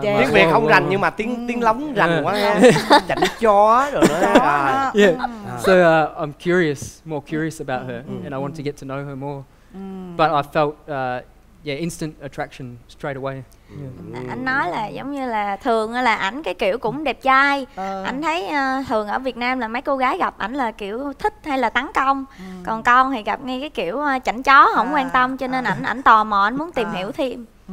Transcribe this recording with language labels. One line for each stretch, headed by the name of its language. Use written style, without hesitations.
Vietnamese: Tiếng Việt không rành nhưng mà tiếng lóng rành quá ha. Chảnh chó rồi đó.
English: So I'm more curious about her and I want to get to know her more. But I felt instant attraction straight away.
Vietnamese: Anh nói là giống như là thường là ảnh cái kiểu cũng đẹp trai. Anh thấy thường ở Việt Nam là mấy cô gái gặp ảnh là kiểu thích hay là tấn công. Còn con thì gặp ngay cái kiểu chảnh chó không quan tâm, cho nên ảnh tò mò, ảnh muốn tìm hiểu thêm.